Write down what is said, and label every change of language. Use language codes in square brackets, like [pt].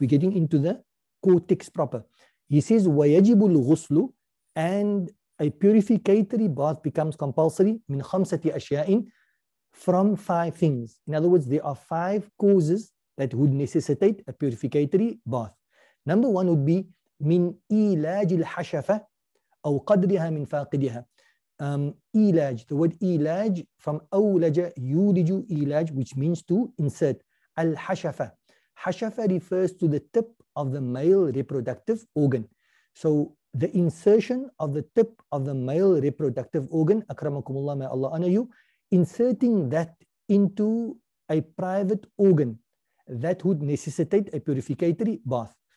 [en] We're getting into the core text proper. He says, [ar] وَيَجِبُ الْغُسْلُ, [en] and a purificatory bath becomes compulsory, [ar] مِنْ خَمْسَةِ أَشْيَاءٍ, [en] from five things. In other words, there are five causes that would necessitate a purificatory bath. Number one would be [ar] مِنْ إِلَاجِ الْحَشَفَةِ أَوْ قَدْرِهَا مِنْ فَاقِدِهَا. [en] Ilaj, the word ilaj from awlaja, yuriju ilaj, which means to insert. Al-hashafa. Hashafa refers to the tip of the male reproductive organ. So the insertion of the tip of the male reproductive organ, akramakumullah, may Allah honor you, inserting that into a private organ, that would necessitate a purificatory bath.